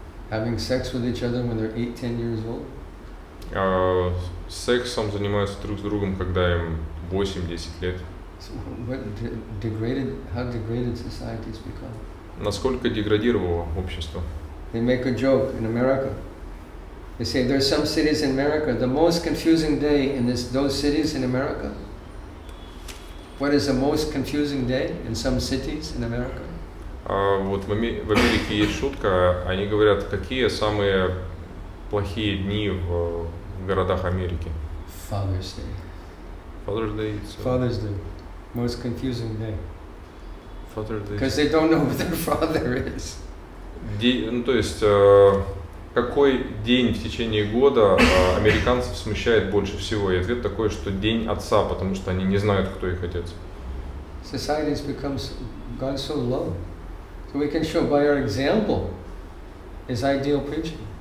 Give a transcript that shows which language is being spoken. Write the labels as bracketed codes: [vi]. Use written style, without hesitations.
[en] Having sex with each other when they're 8-10 years old? [ru] Сексом занимаются друг с другом, когда им 8-10 лет. [en] How degraded society has become? [ru] Насколько деградировало общество? [en] They make a joke in America. They say there are some cities in America, the most confusing day in those cities in America. What is the most confusing day in some cities in America? [ru] Вот в Америке есть шутка, они говорят, какие самые плохие дни в городах Америки. [en] Father's Day. Father's Day. So. Father's Day. Most confusing day. Father's Day. Because they don't know who their father is. [ru] Ну, то есть, какой день в течение года американцев смущает больше всего? И ответ такой, что день отца, потому что они не знают, кто их отец. [en] Society has become gone so low. So we can show by our example is ideal preaching.